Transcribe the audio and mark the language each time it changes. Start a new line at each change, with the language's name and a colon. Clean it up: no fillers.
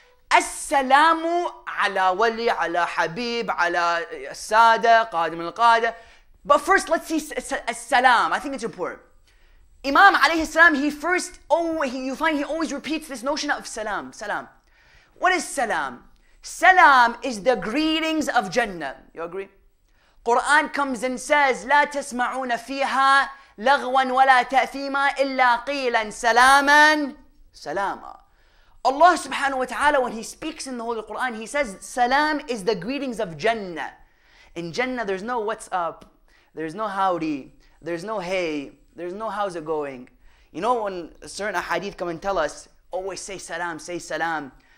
Arabic: As-salamu ala wali, ala habib, ala sada, qadim al-qada.
English: But first let's see as-salam. I think it's important. Imam alayhi salam, he first, he always repeats this notion of salam. Salam. What is salam? Salam is the greetings of Jannah. You agree? Quran comes and says,
Arabic: لا تسمعون فيها لغوا ولا تأثيما إلا قيلا سلاما سلاما.
English: Allah subhanahu wa ta'ala, when he speaks in the Holy Quran, he says, salam is the greetings of Jannah. In Jannah, there's no what's up, there's no howdy, there's no hey, there's no how's it going. You know when certain ahadith come and tell us, always say salam, say salam.